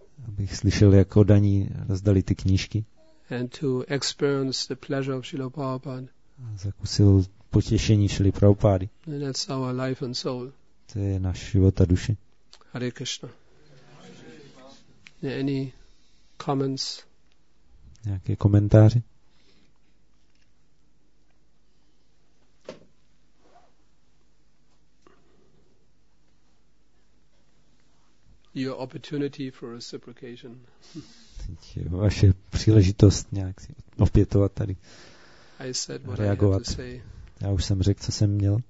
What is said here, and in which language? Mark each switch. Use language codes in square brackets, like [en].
[cs] Abych slyšel, jak oddaní rozdali ty knížky. [en] And to experience the pleasure of Srila Prabhupada. [cs] A zakusil potěšení Srila Prabhupády. [en] And that's our life and soul. [cs] To je náš život a duše. Hare Krishna. [en] Any comments? [cs] Nějaké komentáře? [en] Your opportunity for reciprocation. [cs] Vaše příležitost nějak si opětovat tady. [en] I said what [cs] reagovat. [en] I had to say. [cs] Já už jsem řekl, co jsem měl.